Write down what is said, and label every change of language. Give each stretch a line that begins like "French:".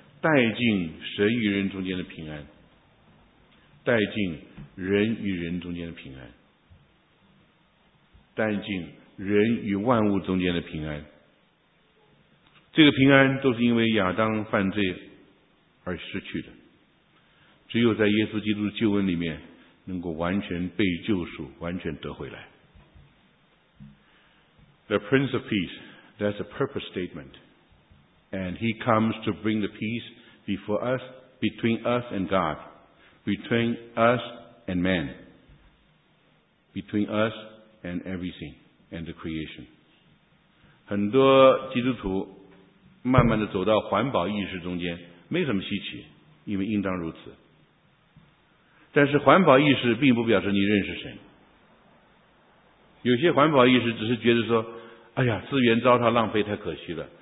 Chinese: 带进神与人中间的平安，带进人与人中间的平安，带进人与万物中间的平安。这个平安都是因为亚当犯罪而失去的，只有在耶稣基督的救恩里面能够完全被救赎，完全得回来。
English: The Prince of Peace, that's a purpose statementAnd He comes to bring the peace before us, between us and God, between us and man, between us and everything and the creation.
Chinese: 很多基督徒慢慢地走到环保意识中间，没什么稀奇，你们应当如此。但是环保意识并不表示你认识神。有些环保意识只是觉得说，哎呀，资源糟蹋浪费太可惜了。